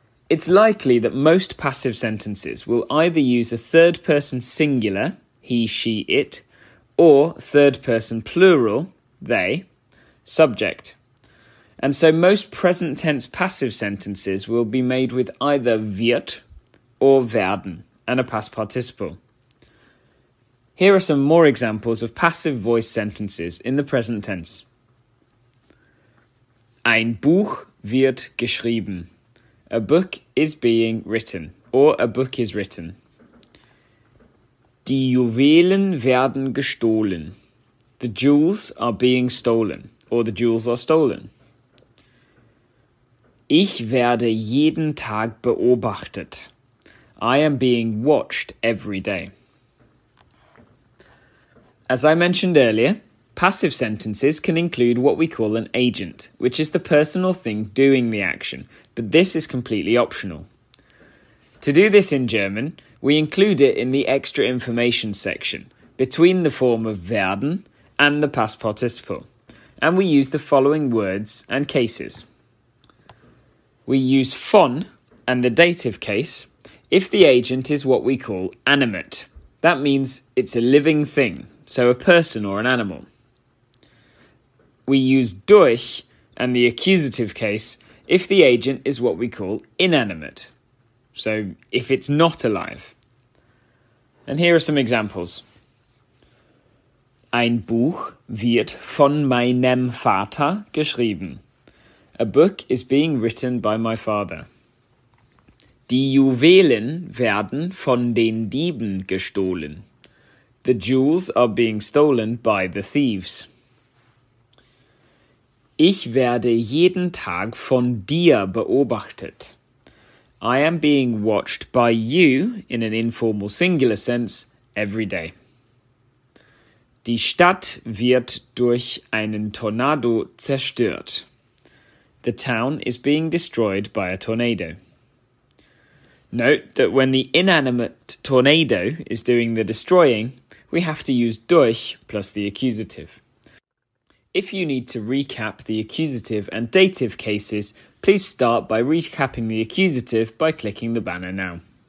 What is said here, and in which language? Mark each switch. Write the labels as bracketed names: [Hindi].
[English] It's likely that most passive sentences will either use a third person singular, he, she, it, or third person plural, they, subject. And so most present tense passive sentences will be made with either wird or werden and a past participle. Here are some more examples of passive voice sentences in the present tense. [German] Ein Buch wird geschrieben. [English] A book is being written, or a book is written. [German] Die Juwelen werden gestohlen. [English] The jewels are being stolen, or the jewels are stolen. [German] Ich werde jeden Tag beobachtet. [English] I am being watched every day. As I mentioned earlier, passive sentences can include what we call an agent, which is the person or thing doing the action, but this is completely optional. To do this in German, we include it in the extra information section, between the form of werden and the past participle, and we use the following words and cases. We use von and the dative case if the agent is what we call animate. That means it's a living thing, so a person or an animal. We use durch and the accusative case if the agent is what we call inanimate, so if it's not alive. And here are some examples. [German] Ein Buch wird von meinem Vater geschrieben. [English] A book is being written by my father. [German] Die Juwelen werden von den Dieben gestohlen. [English] The jewels are being stolen by the thieves. [German] Ich werde jeden Tag von dir beobachtet. [English] I am being watched by you, in an informal singular sense, every day. [German] Die Stadt wird durch einen Tornado zerstört. [English] The town is being destroyed by a tornado. Note that when the inanimate tornado is doing the destroying, we have to use durch plus the accusative. If you need to recap the accusative and dative cases, please start by recapping the accusative by clicking the banner now.